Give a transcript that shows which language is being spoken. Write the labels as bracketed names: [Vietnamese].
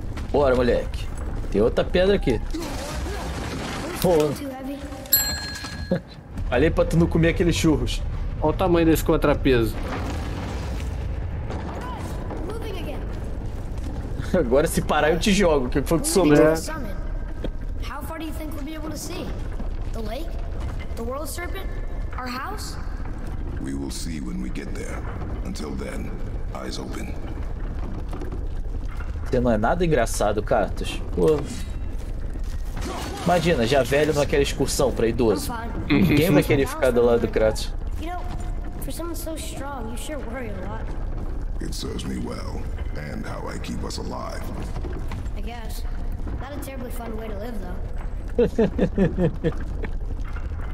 [Portuguese] Bora, moleque. Tem outra pedra aqui. Pô. Falei pra tu não comer aqueles churros. Olha o tamanho desse contrapeso. Agora se parar eu te jogo, que foi o que sobrou. [English] How far do you think we'll be able to see? The lake? The world serpent? Our house? We will see when we get there. Until then, eyes open. [Portuguese] Você não é nada engraçado, Cartus. Pô. Imagina, já velho naquela excursão pra idoso. Ninguém vai querer ficar do lado do Kratos. [English] For someone so strong, you sure worry a lot. It serves me well, and how I keep us alive. I guess. Not a terribly fun way to live, though.